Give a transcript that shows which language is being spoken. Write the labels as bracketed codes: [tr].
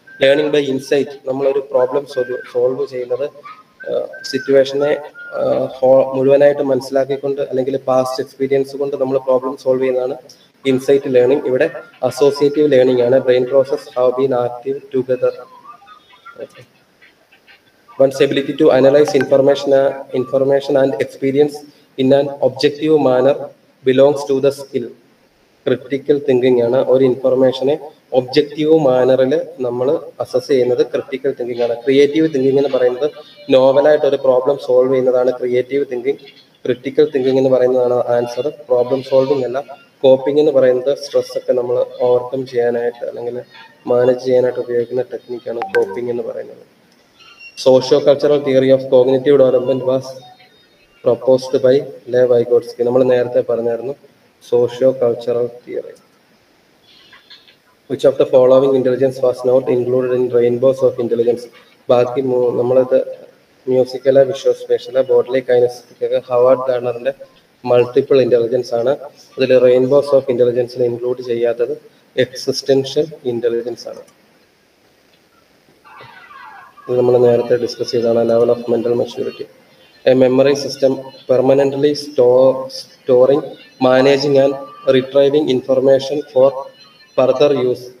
[ml] Learning by insight, നമ്മളൊരു problem solve ചെയ്യുന്നത് സിറ്റുവേഷനെ മുഴുവനായിട്ട് മനസ്സിലാക്കിക്കൊണ്ട് അല്ലെങ്കിൽ പാസ്റ്റ് എക്സ്പീരിയൻസ് കൊണ്ട് നമ്മൾ പ്രോബ്ലം സോൾവ് ചെയ്യുന്നതാണ് ഇൻസൈറ്റ് ലേണിംഗ്. ഇവിടെ അസോസിയേറ്റീവ് ലേണിംഗ് ആണ്. [en] Brain process have been active together. one's ability to analyze information and experience in an objective manner belongs to the skill. [ml] Critical thinking ആണ് ഒരു ഇൻഫർമേഷനെ objective മാനറിൽ നമ്മൾ assess ചെയ്യുന്നത് critical thinking ആണ്. Creative thinking എന്ന് പറയുന്നത് നോവലായിട്ട് ഒരു problem solve ചെയ്യുന്നതാണ് creative thinking. Critical thinking എന്ന് പറയുന്നതാണ് ആൻസർ. പ്രോബ്ലം സോൾവിങ് അല്ല, കോപ്പിംഗ് എന്ന് പറയുന്നത് സ്ട്രെസ്സൊക്കെ നമ്മൾ ഓവർകം ചെയ്യാനായിട്ട് അല്ലെങ്കിൽ മാനേജ് ചെയ്യാനായിട്ട് ഉപയോഗിക്കുന്ന ടെക്നിക്കാണ് കോപ്പിംഗ് എന്ന് പറയുന്നത്. [en] Socio cultural theory of cognitive development was proposed by Lev Vygotsky. [ml] നമ്മൾ നേരത്തെ പറഞ്ഞായിരുന്നു socio cultural theory. [en] Which of the following intelligence was not included in rainbows of intelligence? [ml] ബാക്കി നമ്മളത് മ്യൂസിക്കല visual സ്പേഷ്യല bodily കൈനസ്റ്റിക്കൊക്കെ Howard ഗാർഡ്നറിൻ്റെ multiple intelligence ആണ്. അതിൽ rainbows of ഇൻ്റലിജൻസിൽ include ചെയ്യാത്തത് existential intelligence ആണ്. ഇത് നമ്മൾ നേരത്തെ ഡിസ്കസ് ചെയ്തതാണ് [en] Level of mental maturity. A memory system permanently storing managing and retrieving information for further use.